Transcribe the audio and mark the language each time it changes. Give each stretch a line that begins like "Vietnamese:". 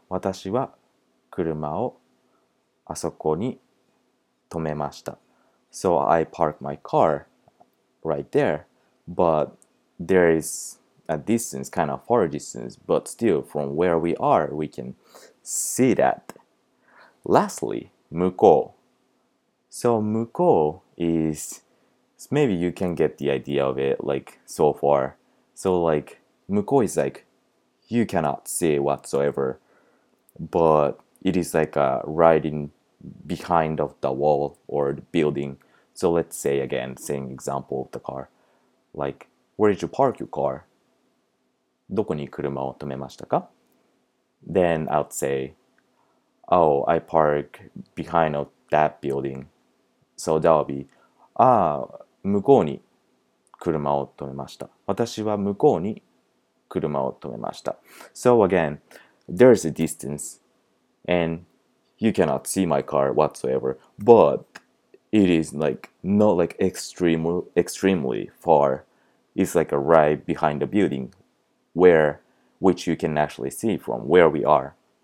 Japanese: 私は車をあそこに止めました。
English: So I parked my car right there. But there is a distance, kind of far distance. But still, from where we are, we can see that. Lastly, 向こう。So 向こう is, maybe you can get the idea of it, like, so far. So like, 向こう is like, you cannot see whatsoever. But it is like a riding behind of the wall or the building. So let's say again, same example of the car. Like, where did you park your car?
Japanese: どこに車を止めましたか?
English: Then I'd say, oh, I park behind of that building. So that would be, ah,
Japanese: 向こうに車を止めました。私は向こうに車を止めました。
English: So again, there's a distance and you cannot see my car whatsoever, but it is like not like extremely far. It's like a right behind the building which you can actually see from where we are.